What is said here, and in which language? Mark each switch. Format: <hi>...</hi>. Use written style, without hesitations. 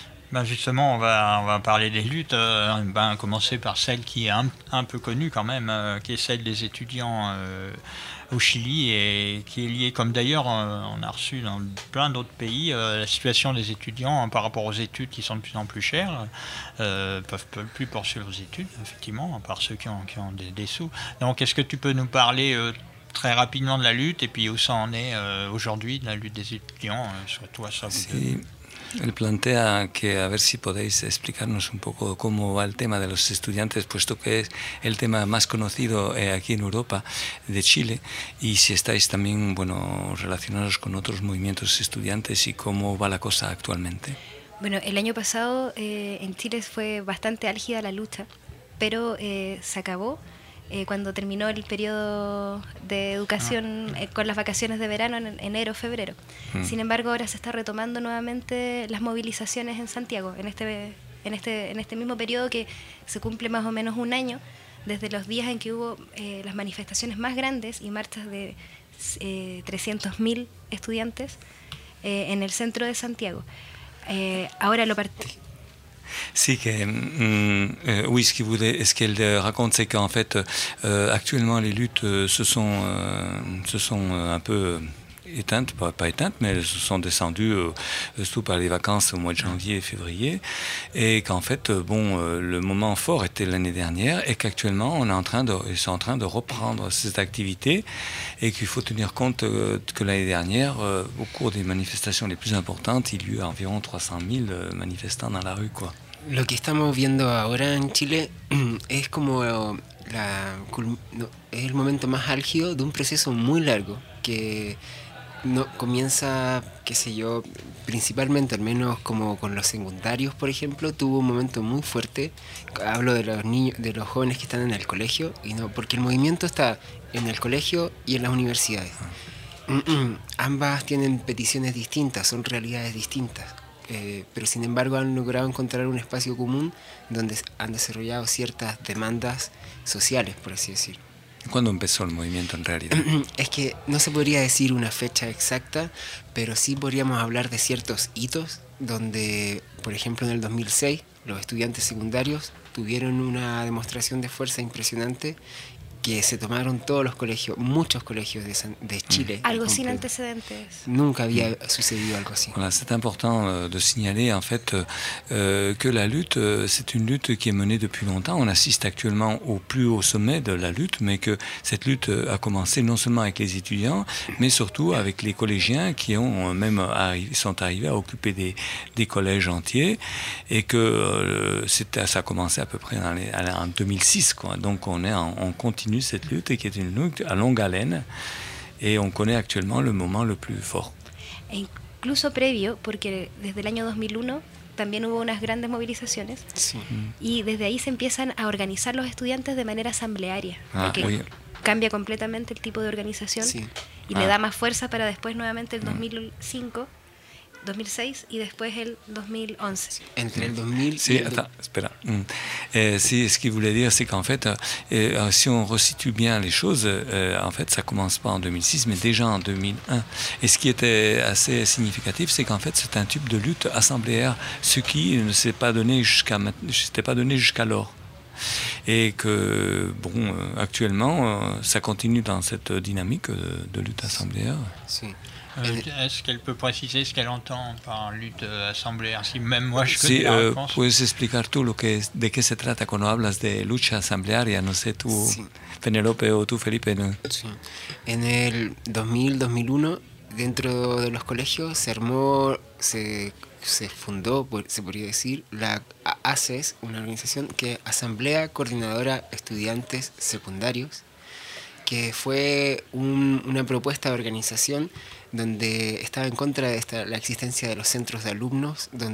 <fr>Ben justement, on va parler des luttes, commencer par celle qui est un peu connue quand même, qui est celle des étudiants au Chili, et qui est liée, comme d'ailleurs on a reçu dans plein d'autres pays, la situation des étudiants par rapport aux études qui sont de plus en plus chères, peuvent plus poursuivre leurs études, effectivement, à part ceux qui ont des sous. Donc est-ce que tu peux nous parler très rapidement de la lutte, et puis où ça en est aujourd'hui, de la lutte des étudiants, surtout à ça, vous deux.</fr> <es>Él plantea que a ver si podéis explicarnos un poco cómo va el tema de los estudiantes, puesto que es el tema más conocido aquí en Europa, de Chile, y si estáis también relacionados con otros movimientos estudiantes y cómo va la cosa actualmente. Bueno, el año pasado en Chile fue bastante álgida la lucha, pero se acabó cuando terminó el periodo de educación con las vacaciones de verano en enero, febrero. Sin embargo, ahora se está retomando nuevamente las movilizaciones en Santiago, en este mismo periodo que se cumple más o menos un año desde los días en que hubo las manifestaciones más grandes y marchas de 300.000 estudiantes en el centro de Santiago. Ahora lo partí. Si, que,</es> <fr>oui, ce qu'elle raconte, c'est qu'en fait, actuellement, les luttes se sont un peu éteintes, pas éteintes, mais elles se sont descendues surtout par les vacances au mois de janvier et février, et qu'en fait, bon, le moment fort était l'année dernière, et qu'actuellement, ils sont en train de reprendre cette activité, et qu'il faut tenir compte que l'année dernière, au cours des manifestations les plus importantes, il y a eu environ 300 000 manifestants dans la rue, quoi.</fr> <es>Lo que estamos viendo ahora en Chile es como es el momento más álgido de un proceso muy largo que no comienza, qué sé yo, principalmente, al menos como con los secundarios, por ejemplo, tuvo un momento muy fuerte. Hablo de los niños, de los jóvenes que están en el colegio, y no, porque el movimiento está en el colegio y en las universidades. Ambas tienen peticiones distintas, son realidades distintas. Pero sin embargo han logrado encontrar un espacio común donde han desarrollado ciertas demandas sociales, por así decir. ¿Cuándo empezó el movimiento en realidad? Es que no se podría decir una fecha exacta, pero sí podríamos hablar de ciertos hitos, donde, por ejemplo, en el 2006, los estudiantes secundarios tuvieron una demostración de fuerza impresionante que se tomaron todos los colegios, muchos colegios de Chile. Algo sin antecedentes. Nunca había sucedido algo así.</es> <fr>Voilà, c'est important de signaler en fait que la lutte, c'est une lutte qui est menée depuis longtemps. On assiste actuellement au plus haut sommet de la lutte, mais que cette lutte a commencé non seulement avec les étudiants, mais surtout avec les collégiens qui ont même sont arrivés à occuper des collèges entiers, et que ça a commencé à peu près en 2006, quoi. Donc on continue cette lutte et qui est une lutte à longue haleine, et on connaît actuellement le moment le plus fort.</fr> <es>E incluso previo, porque desde el año 2001 también hubo unas grandes movilizaciones, y desde ahí se empiezan a organizar los estudiantes de manera asamblearia, porque cambia completamente el tipo de organización y le da más fuerza para después nuevamente el 2005, 2006 y después el 2011. Entre el 2000 sí,</es> <fr>attends,</fr> <es>espera.</es> <fr>Si ce qu'il voulait dire, c'est qu'en fait, si on resitue bien les choses, en fait, ça commence pas en 2006, mais déjà en 2001. Et ce qui était assez significatif, c'est qu'en fait, c'est un type de lutte assembléaire, ce qui ne s'est pas donné jusqu'alors. Et que, bon, actuellement, ça continue dans cette dynamique de lutte assembléaire.</fr> <es>Si.</es> <fr>Est-ce qu'elle peut préciser ce qu'elle entend par lutte assemblée? Si même moi je connais la réponse.</fr> <es>Puedes explicar tú de qué se trata cuando hablas de lucha asamblearia, no sé tú, Penelope o tú, Felipe, ¿no? Sí. En el 2000-2001, dentro de los colegios se armó, se fundó, se podría decir, la ACES, una organización que Asamblea Coordinadora Estudiantes Secundarios, que fue una propuesta de organización donde estaba en contra de la existencia de los centros de alumnos,</es>